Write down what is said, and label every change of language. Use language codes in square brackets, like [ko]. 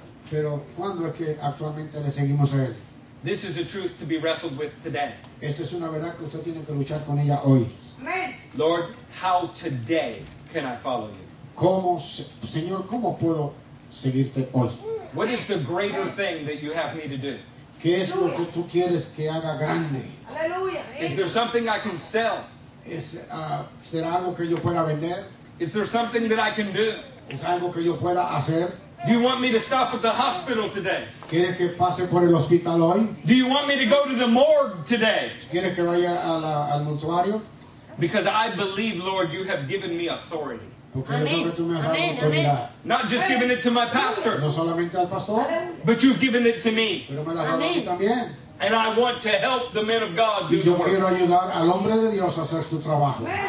[es] Pero ¿cuándo es que actualmente le seguimos a él? [en] This is a truth to be wrestled with today. [es] Esta es una verdad que usted tiene que luchar con ella hoy. [en] Amen. Lord, how today can I follow you? [es] ¿Cómo, Señor, cómo puedo seguirte hoy? [en] What is the greater thing that you have me to do? [es] ¿Qué es lo que tú quieres que haga grande? Aleluya. [en] Is there something I can sell? [es] ¿Es, será algo que yo pueda vender? [en] Is there something that I can do? [es] ¿Es algo que yo pueda hacer? [en] Do you want me to stop at the hospital today? [es] ¿Quieres que pase por el hospital hoy? [en] Do you want me to go to the morgue today? [es] ¿Quieres que vaya a la, al mortuario? [en] Because I believe, Lord, you have given me authority. Amen. Not just giving it to my pastor, [es] no solamente al pastor, [en] but you've given it to me. [es] Pero me la has dado a mí también. [en] And I want to help the men of God [es] do yo quiero ayudar al hombre de Dios a hacer su trabajo.